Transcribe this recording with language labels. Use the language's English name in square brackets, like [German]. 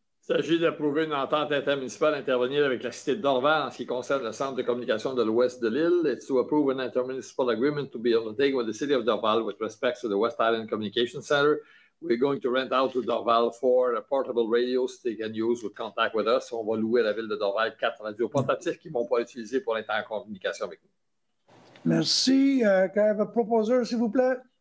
[French] Il s'agit d'approuver une entente intermunicipale intervenir avec la cité de Dorval en ce qui concerne le centre de communication de l'ouest de l'île. [English] It's to approve an intermunicipal agreement to be undertaken with the city of Dorval with respect to the West Island Communication Center. We're going to rent out to Dorval 4 portable radios they can use with contact with us. [French] On va louer à la ville de Dorval 4 radios portatifs qu'ils ne vont pas utiliser pour être en communication avec nous. Merci. [English] Can I have a proposer, [French] s'il vous plaît?